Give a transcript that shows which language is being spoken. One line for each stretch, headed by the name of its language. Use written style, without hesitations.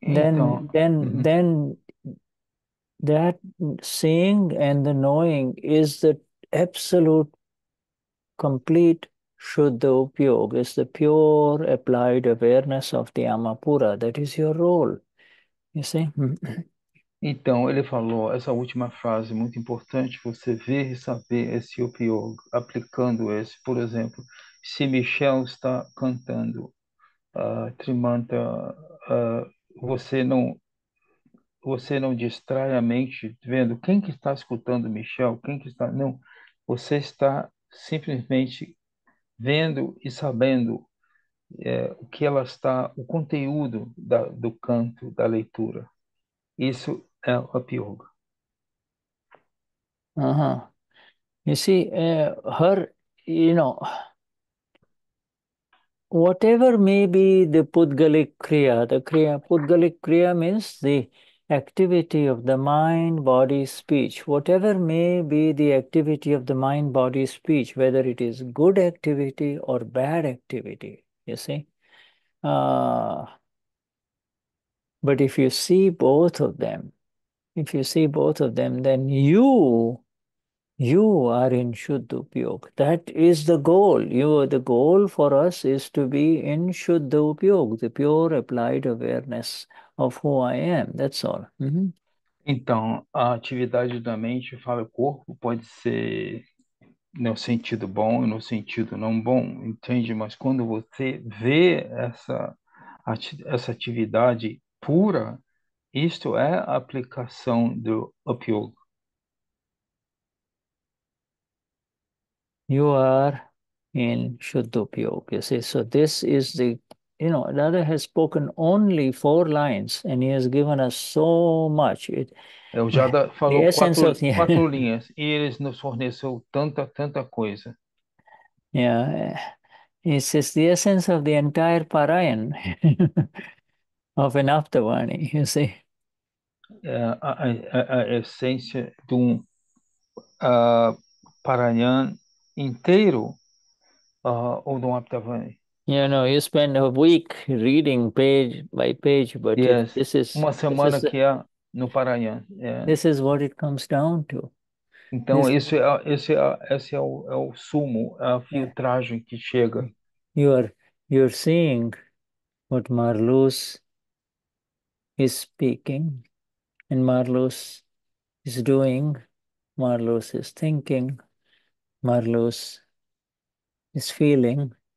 Portuguese: Então,
English: that seeing and the knowing is the absolute, complete Shuddha Upyog, is the pure applied awareness of the Amapura. That is your role, you see?
Portuguese: ele falou essa última frase muito importante, você ver e saber esse opioid, aplicando esse, por exemplo, se Michel está cantando a Trimanta, você não distrai a mente vendo quem que está escutando Michel, quem que está, não, você está simplesmente vendo e sabendo o que ela está, o conteúdo do canto, da leitura. Isso é a pior.
English: You see, her, you know, whatever may be the Pudgalik Kriya means the activity of the mind, body, speech. Whatever may be the activity of the mind, body, speech, whether it is good activity or bad activity, you see. But if you see both of them, if you see both of them, then you are in Shuddha Upyog. That is the goal. The goal for us is to be in Shuddha Upyog, the pure applied awareness of who I am. That's all.
Portuguese: Então, a atividade da mente, fala, o corpo pode ser no sentido bom e no sentido não bom, entende? Mas quando você vê essa atividade pura, isto é a aplicação do Upyoga.
English: You are in Shuddhupyog, you see. So this is the, Radha has spoken only 4 lines and he has given us so much.
Portuguese: Eu
English: The
Portuguese: já falou
English: essence of the
Portuguese: quatro linhas e eles nos forneceu tanta, tanta coisa.
English: It's just the essence of the entire Parayan of an Aptavani, you see.
Portuguese: A essência de um Paranhan inteiro ou de um Aptavani.
English: You spend a week reading page by page, but
Portuguese: Yes, uma semana que é no Paranhão.
English: this is what it comes down to.
Portuguese: Então,
English: This
Portuguese: esse é, esse é, esse é o sumo, é a filtragem que chega.
English: you're seeing what Marluce is speaking, and Marluce is doing, Marluce is thinking, Marluce is feeling.